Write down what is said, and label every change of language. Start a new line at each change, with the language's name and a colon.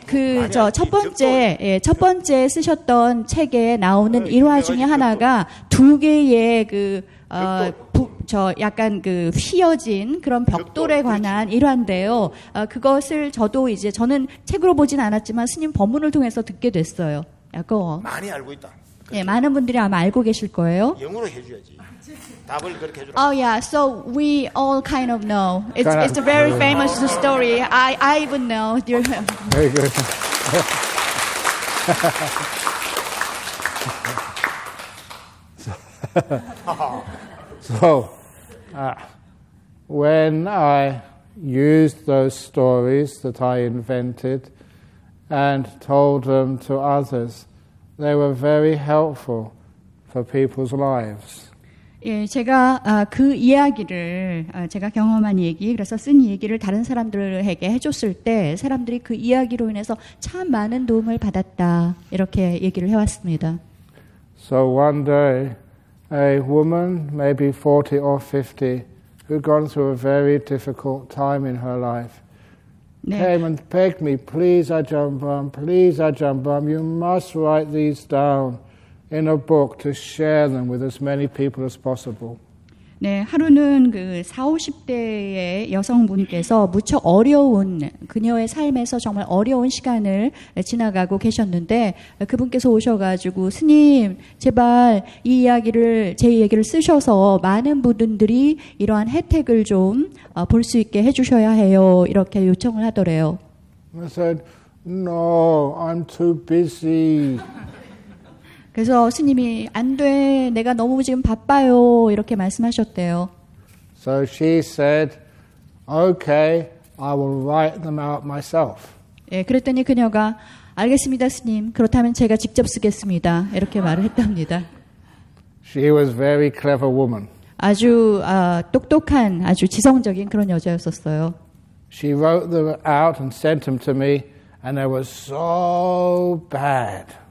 Korean: 그저첫 번째 첫 번째 쓰셨던 책에 나오는 일화 중에 하나가 두 개의 그 저 약간 그 휘어진 그런 벽돌에 관한 일화인데요. 그것을 저도 이제 저는 책으로 보진 않았지만 스님 법문을 통해서 듣게 됐어요. 약간 많이 알고 있다. 그렇죠? 예, 많은 분들이 아마 알고 계실 거예요. 영어로 해줘야지. 답을 그렇게 해줘.
English: Oh yeah, so we all kind of know. It's a very famous story. I even know. Very good. So, when I used those stories that I invented and told them to others, they were very helpful for people's lives.
Korean: 예, 제가 그 이야기를 제가 경험한 얘기, 그래서 쓴 얘기를 다른 사람들에게 해줬을 때 사람들이 그 이야기로 인해서 참 많은 도움을 받았다 이렇게 얘기를 해왔습니다.
English: So one day. A woman, maybe 40 or 50, who'd gone through a very difficult time in her life,
Korean: 네.
English: came and begged me, please Ajahn Brahm, you must write these down in a book to share them with as many people as possible.
Korean: 네, 하루는 그 40, 50대의 여성분께서 무척 어려운 그녀의 삶에서 정말 어려운 시간을 지나가고 계셨는데 그분께서 오셔가지고 스님 제발 이 이야기를 제 이야기를 쓰셔서 많은 분들이 이러한 혜택을 좀 볼 수 있게 해주셔야 해요 이렇게 요청을 하더래요.
English: I said, no, I'm too busy.
Korean: 그래서 스님이 안 돼, 내가 너무 지금 바빠요 이렇게 말씀하셨대요.
English: So she said, okay, I will write them out myself.
Korean: 예, 그랬더니 그녀가 알겠습니다, 스님. 그렇다면 제가 직접 쓰겠습니다. 이렇게 말을 했답니다.
English: She was very clever woman.
Korean: 아주 똑똑한, 아주 지성적인 그런 여자였었어요.
English: She wrote them out and sent them to me, and they were so bad.